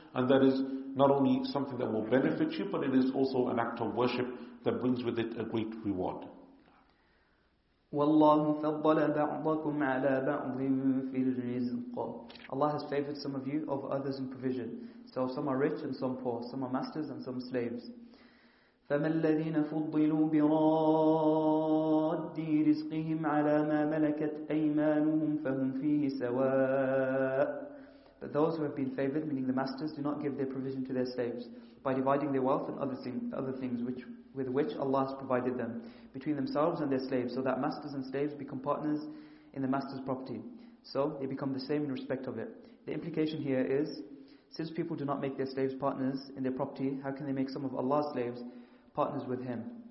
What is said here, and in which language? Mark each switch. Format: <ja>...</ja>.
<en>And that is not only something that will benefit you, but it is also an act of worship that brings with it a great reward.</en> <ar>وَاللَّهُ فَضَّلَ بَعْضَكُمْ عَلَىٰ بَعْضٍ فِي الرِّزْقِ.</ar> <en>Allah has favored some of you over others in provision. So some are rich and some poor, some are masters and some slaves.</en> <ar>فما الذين فضلوا برد رزقهم على ما ملكت أيمانهم فهم فيه سواء.</ar> <en>But those who have been favored, meaning the masters, do not give their provision to their slaves by dividing their wealth and other things with which Allah has provided them between themselves and their slaves, so that masters and slaves become partners in the master's property. So they become the same in respect of it. The implication here is, since people do not make their slaves partners in their property, how can they make some of Allah's slaves partners with Him?</en>